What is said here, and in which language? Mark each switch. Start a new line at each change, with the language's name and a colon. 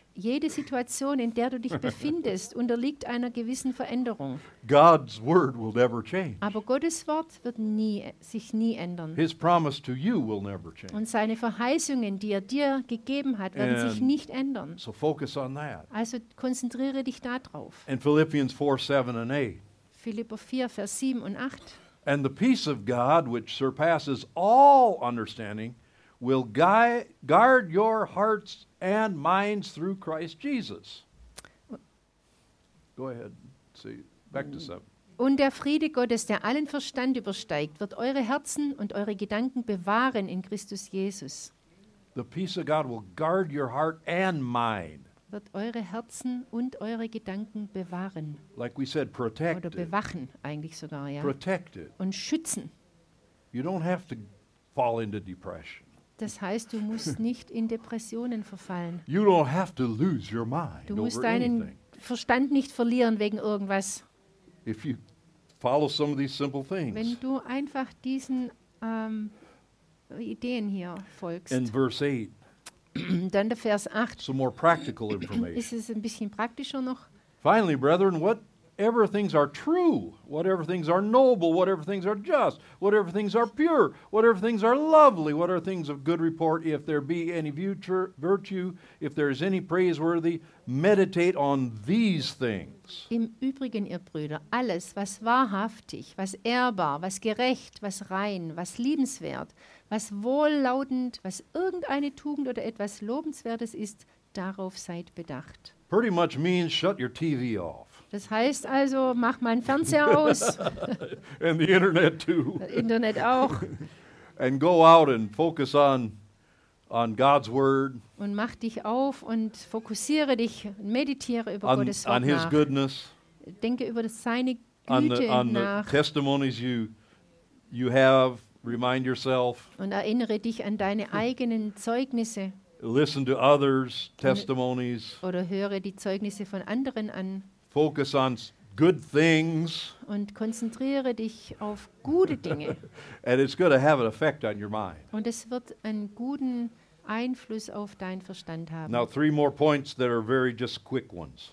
German: Jede Situation, in der du dich befindest, unterliegt einer gewissen Veränderung.
English: God's word will never change.
German: Aber Gottes Wort wird sich nie ändern.
English: His promise to you will never change.
German: Und seine Verheißungen, die er dir gegeben hat, werden and sich nicht ändern.
English: So focus on that.
German: Also konzentriere dich darauf.
English: In Philippians 4:7-8.
German: Philipper 4, Vers 7 und 8.
English: And the peace of God, which surpasses all understanding, will guard your hearts and minds through Christ Jesus. Go ahead. See, back to 7.
German: Und der Friede Gottes, der allen Verstand übersteigt, wird eure Herzen und eure Gedanken bewahren in Christus Jesus.
English: The peace of God will guard your heart and mind.
German: Wird eure Herzen und eure Gedanken bewahren.
English: Like we said, protect
German: oder bewachen it. Eigentlich sogar, ja.
English: Protect it.
German: Und schützen.
English: You don't have to fall into depression.
German: Das heißt, du musst nicht in Depressionen verfallen.
English: You don't have to lose your mind.
German: Du musst deinen Verstand nicht verlieren wegen irgendwas.
English: If you follow some of these simple things.
German: Wenn du einfach diesen Ideen hier folgst.
English: In verse 8.
German: Dann der Vers 8.
English: Some more practical information.
German: Ist es ein bisschen praktischer noch?
English: Finally, brethren, whatever things are true, whatever things are noble, whatever things are just, whatever things are pure, whatever things are lovely, whatever things of good report, if there be any virtue, if there is any praiseworthy, meditate on these things.
German: Im Übrigen, ihr Brüder, alles, was wahrhaftig, was ehrbar, was gerecht, was rein, was liebenswert, was wohllautend, was irgendeine Tugend oder etwas Lobenswertes ist, darauf seid bedacht.
English: Pretty much means shut your TV off.
German: Das heißt also, mach mal einen Fernseher aus.
English: And the internet too.
German: Internet auch.
English: And go out and focus on God's word.
German: Und mach dich auf und fokussiere dich, meditiere über
English: on,
German: Gottes Wort
English: on his
German: nach.
English: Goodness.
German: Denke über seine Güte
English: on the, on
German: nach.
English: The testimonies you have, remind yourself.
German: Und erinnere dich an deine eigenen Zeugnisse.
English: Listen to others' testimonies.
German: Oder höre die Zeugnisse von anderen an.
English: Focus on good things.
German: Und konzentriere dich auf gute Dinge.
English: And it's going to have an effect on your mind.
German: Und es wird einen guten Einfluss auf deinen Verstand haben.
English: Now three more points that are very just quick ones.